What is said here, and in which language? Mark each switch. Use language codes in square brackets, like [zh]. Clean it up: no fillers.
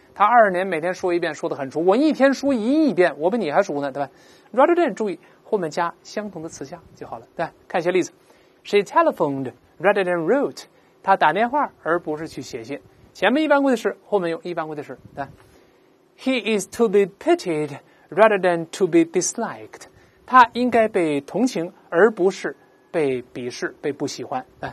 [zh] 他20年每天说一遍，说得很熟。我一天说1亿遍，我比你还熟呢，对吧？ rather than 注意后面加相同的词项就好了，对吧？看一些例子。 [en] She telephoned rather than wrote， [zh] 他打电话而不是去写信。前面一般过去式，后面用一般过去式。 [en] He is to be pitied rather than to be disliked。 [zh] 他应该被同情而不是被鄙视被不喜欢。